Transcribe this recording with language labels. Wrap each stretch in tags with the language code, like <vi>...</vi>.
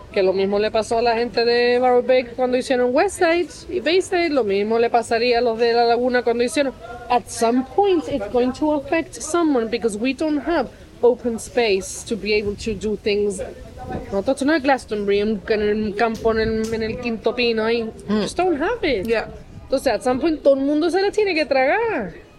<es>Que lo mismo le pasó a la gente de Barrow Bay cuando hicieron Westside y Bayside. Lo mismo le pasaría a los de La Laguna cuando hicieron...</es> <en>At some point, it's going to affect someone because we don't have open space to be able to do things.</en> <es>Nosotros no es Glastonbury, en el campo, en el quinto pino ahí.</es> <en>Just don't have it. Yeah.</en> <es>Entonces,</es> <en>at some point,</en> <es>todo el mundo se la tiene que tragar.</es>